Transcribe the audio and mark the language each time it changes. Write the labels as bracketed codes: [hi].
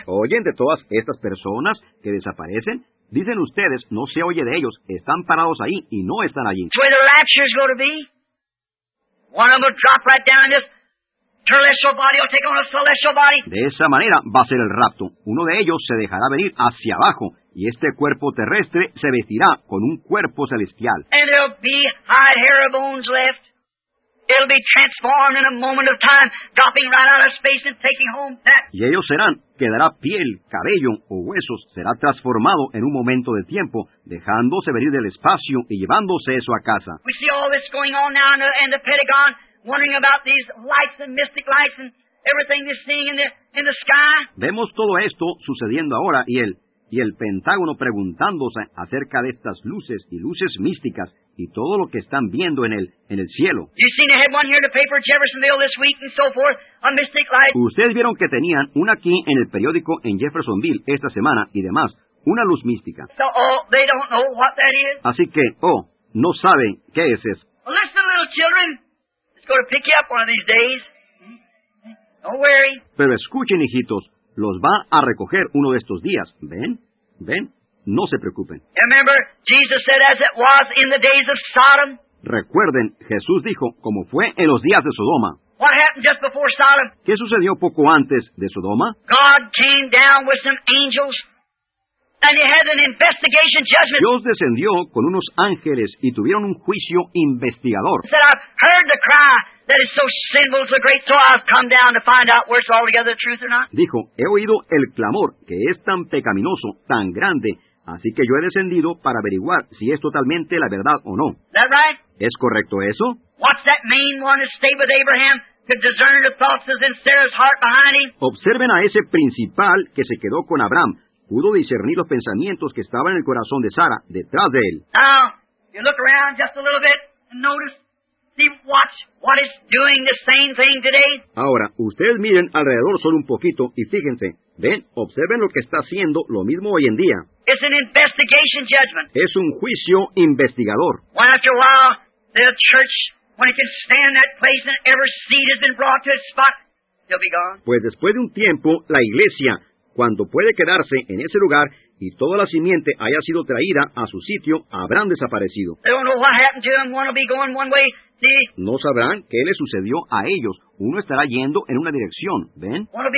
[es] Oyen de todas estas personas que desaparecen. Dicen ustedes, no se oye de ellos. Están parados ahí y no están allí. [en] That's where the rapture is going to be. One of them will drop right down in this terrestrial body. Will take on a celestial body. [es] De esa manera va a ser el rapto. Uno de ellos se dejará venir hacia abajo y este cuerpo terrestre se vestirá con un cuerpo celestial. [en] And there'll be hide, hair, bones left. It'll be transformed in a moment of time, dropping right out of space and taking home that. [es] Y ellos serán, quedará piel, cabello o huesos, será transformado en un momento de tiempo, dejándose venir del espacio y llevándose eso a casa. [en] We see all this going on now in the Pentagon, wondering about these lights and mystic lights and everything they're seeing in the sky. [es] Vemos todo esto sucediendo ahora y el Pentágono preguntándose acerca de estas luces y luces místicas y todo lo que están viendo en el cielo. [en] You seen a headline here in the paper, Jeffersonville this week and so forth, a mystic light. [es] Ustedes vieron que tenían una aquí en el periódico en Jeffersonville esta semana y demás, una luz mística. [en] So, they don't know what that is. [es] Así que, no saben qué es eso. [en] Well, listen, little children. It's going to pick you up one of these days. Don't worry. [es] Pero escuchen, hijitos. Los va a recoger uno de estos días. ¿Ven? No se preocupen. [en] Remember, Jesus said, as it was in the days of Sodom. [es] Recuerden, Jesús dijo, como fue en los días de Sodoma. [en] What happened just before Sodom? [es] ¿Qué sucedió poco antes de Sodoma? [en] God came down with some angels, and he had an investigation judgment. [es] Dios descendió con unos ángeles y tuvieron un juicio investigador. [en] He said, I've heard the cry. That is so sinful, so great, so I've come down to find out where it's altogether the truth or not. [es] Dijo, he oído el clamor que es tan pecaminoso, tan grande, así que yo he descendido para averiguar si es totalmente la verdad o no. [en] Is that right? [es] ¿Es correcto eso? [en] Watch that main one who stayed with Abraham to discern the thoughts that's in Sarah's heart behind him. [es] Observen a ese principal que se quedó con Abraham. Pudo discernir los pensamientos que estaban en el corazón de Sara detrás de él. [en] Now, you look around just a little bit and notice. See, watch what it's doing the same thing today. [es] Ahora, ustedes miren alrededor solo un poquito y fíjense. Ven, observen lo que está haciendo lo mismo hoy en día. [en] It's an investigation judgment. [es] Es un juicio investigador. [en] Why, after a while, the church, when it can stand that place and every seed has been brought to its spot, they'll be gone. [es] Pues después de un tiempo, la iglesia, cuando puede quedarse en ese lugar y toda la simiente haya sido traída a su sitio, habrán desaparecido. [en] They don't know what happened to them. One will be going one way. [es] No sabrán qué le sucedió a ellos. Uno estará yendo en una dirección, ¿ven?